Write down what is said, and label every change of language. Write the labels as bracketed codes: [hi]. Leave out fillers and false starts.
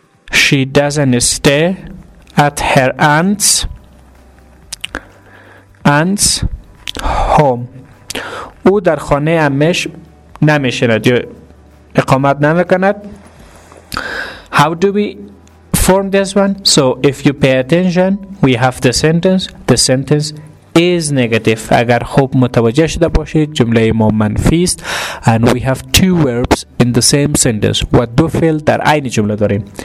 [en] She doesn't stay at her aunt's home. [fa] او در خانه امش نمیشیند یا اقامت نمیکند. [en] How do we form this one? So if you pay attention, we have the sentence. The sentence is negative. [fa] اگر خوب متوجه شده باشید جمله ما منفی است. [en] And we have two verbs in the same sentence. [fa] و دو فعل در عین جمله داریم.